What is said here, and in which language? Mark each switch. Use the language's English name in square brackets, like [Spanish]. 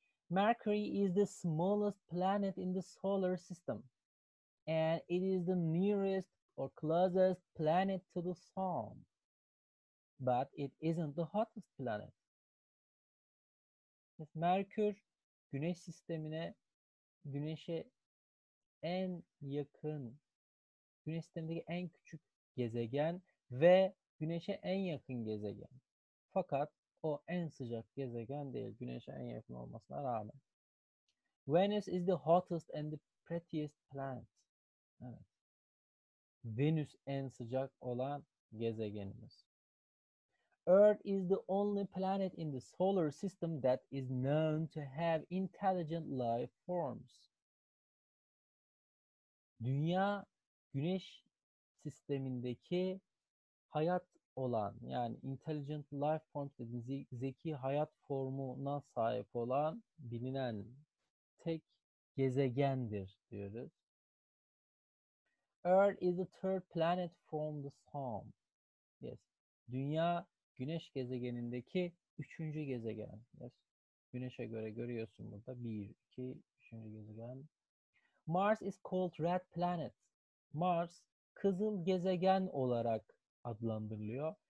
[English] Mercury is the smallest planet in the solar system. And it is the nearest or closest planet to the sun. But it isn't the hottest planet. [Turkish] Merkür, Güneş sistemine, Güneş'e en yakın, Güneş sistemindeki en küçük gezegen ve Güneş'e en yakın gezegen. Fakat o en sıcak gezegen değil, Güneş'e en yakın olmasına rağmen. [English] Venus is the hottest and the prettiest planet. Evet. [Turkish] Venüs en sıcak olan gezegenimiz. [English] Earth is the only planet in the solar system that is known to have intelligent life forms. [Turkish] Dünya, Güneş sistemindeki hayat olan, yani [English] intelligent life forms [Turkish] dediğimiz zeki hayat formuna sahip olan bilinen tek gezegendir diyoruz. [English] Earth is the third planet from the sun. [Turkish] Yes. Dünya Güneş gezegenindeki üçüncü gezegen. Yes. Güneş'e göre görüyorsun burada. Bir, iki, üçüncü gezegen. [English] Mars is called red planet. [Turkish] Mars, kızıl gezegen olarak adlandırılıyor.